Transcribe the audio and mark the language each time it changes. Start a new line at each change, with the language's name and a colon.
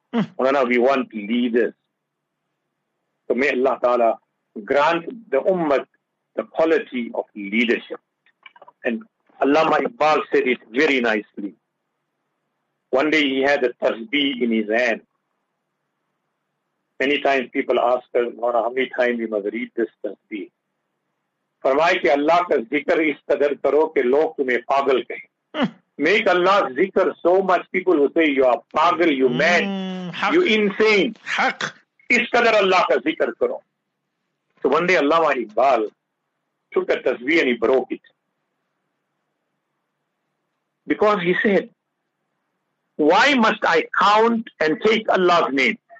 English: Mulana, we want leaders. So may Allah Ta'ala grant the ummah the quality of leadership. And Allama Iqbal said it very nicely. One day he had a tasbih in his hand. Many times people ask us, Mulana, how many times we must read this tasbih?
Urdu: فرمائے کہ اللہ کا ذکر اس قدر کرو کہ لوگ تمہیں پاگل کہیں.
English: Make Allah's zikr so much, people who say you are pagal, you mad, you insane.
Urdu: Haq. Is qadar Allah ka zikr karo.
English: So one day Allama Iqbal took a tasbih and he broke it. Because he said, why must I count and take Allah's name?